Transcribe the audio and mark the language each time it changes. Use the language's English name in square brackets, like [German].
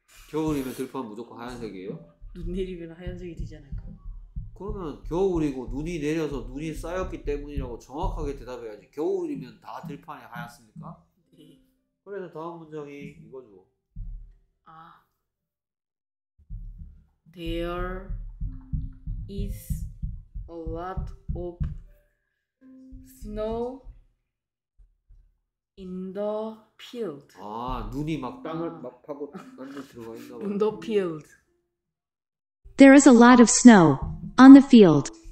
[Korean] 겨울이면 들판 무조건 하얀색이에요? 눈 내리면 하얀색이 되지 않을까요? 그러면 겨울이고 눈이 내려서 눈이 쌓였기 때문이라고 정확하게 대답해야지. 겨울이면 다 들판이 하얗습니까? 그래서 다음 문장이 이거죠. [English] There is a lot of snow in the field. [Korean] 아, 눈이 막 땅을 막 파고 땅에 들어가 있나 봐. [English] In the field. There is a lot of snow on the field.